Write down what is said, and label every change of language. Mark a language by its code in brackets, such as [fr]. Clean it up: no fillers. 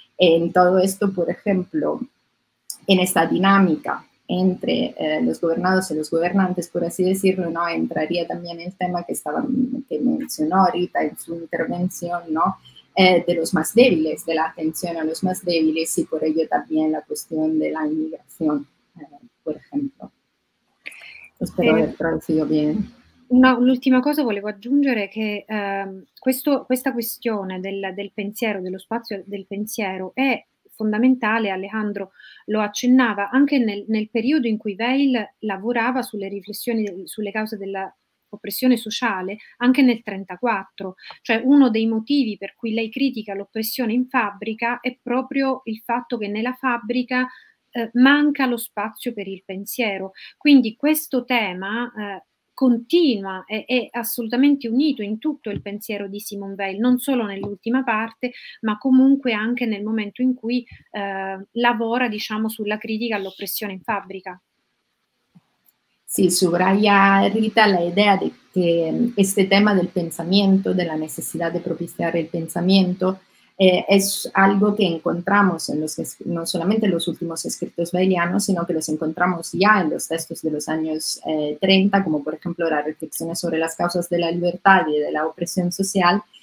[es] En todo esto, por ejemplo, en esta dinámica entre los gobernados y los gobernantes, por así decirlo, ¿no? Entraría también el tema que mencionó ahorita en su intervención, ¿no? De los más débiles, de la atención a los más débiles, y por ello también la cuestión de la inmigración, por ejemplo. Espero haber traducido bien. [it] Un'ultima cosa volevo aggiungere, che questa questione del pensiero, dello spazio del pensiero è fondamentale, Alejandro lo accennava, anche nel periodo in cui Weil lavorava sulle riflessioni sulle cause della oppressione sociale, anche nel 1934, cioè uno dei motivi per cui lei critica l'oppressione in fabbrica è proprio il fatto che nella fabbrica manca lo spazio per il pensiero, quindi questo tema continua, è assolutamente unito in tutto il pensiero di Simone Weil, non solo nell'ultima parte, ma comunque anche nel momento in cui lavora, diciamo, sulla critica all'oppressione in fabbrica. [es] Sì, subraya Rita la idea [it] di che questo tema del pensamento, della necessità di propiziare il pensamento, [es] es algo que encontramos en los, no solamente en los últimos escritos weilianos, sino que los encontramos ya en los textos de los años 30, como por ejemplo las reflexiones sobre las causas de la libertad y de la opresión social,